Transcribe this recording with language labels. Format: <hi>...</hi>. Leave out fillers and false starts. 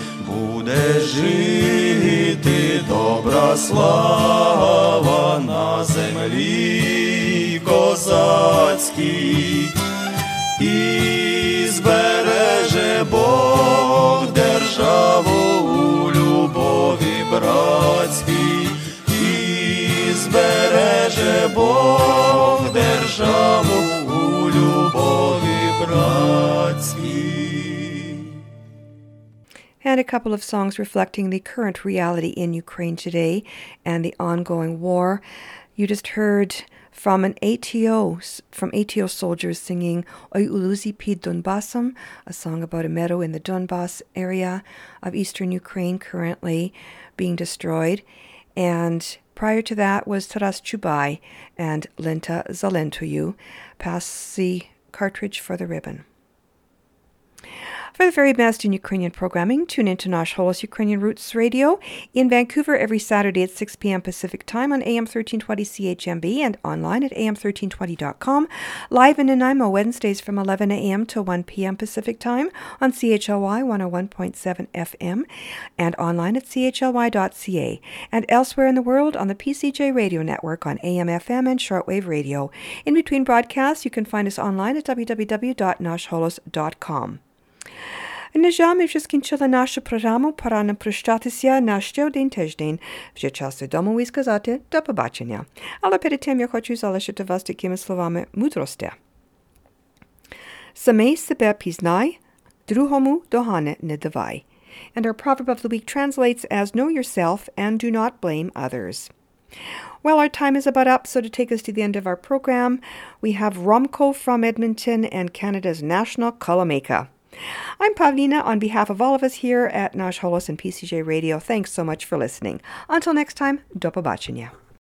<uk>Буде жити добра слава на землі козацькій, і збереже Бог державу у любові братській, і збереже Бог державу у любові братській.</uk> <en>And a couple of songs reflecting the current reality in Ukraine today and the ongoing war. You just heard from an ATO, from ATO soldiers singing Oy Uluzi Pid Donbasam, a song about a meadow in the Donbas area of eastern Ukraine currently being destroyed. And prior to that was Taras Chubai and Lenta Zalentoyu. Pass the cartridge for the ribbon. For the very best in Ukrainian programming, tune in to Nash Holos Ukrainian Roots Radio in Vancouver every Saturday at 6 p.m. Pacific Time on AM 1320 CHMB and online at am1320.com, live in Nanaimo Wednesdays from 11 a.m. to 1 p.m. Pacific Time on CHLY 101.7 FM and online at chly.ca, and elsewhere in the world on the PCJ Radio Network on AM, FM, and shortwave radio. In between broadcasts, you can find us online at www.nashholos.com.</en> <uk>Нежа, ми вже скінчили нашу програму, пора нам прощатися на ще один тиждень. Вже час додому і сказати до побачення. Але перед тим я хочу залишити вас такими словами мудрості. Самий себе пізнай, другому догани не давай.</uk> <en>And our proverb of the week translates as know yourself and do not blame others. Well, our time is about up, so to take us to the end of our program, we have Romko from Edmonton and Canada's National Kalameka. I'm Pavlina. On behalf of all of us here at Nash Holos and PCJ Radio, thanks so much for listening. Until next time,</en> <uk>do pobaczenia.</uk>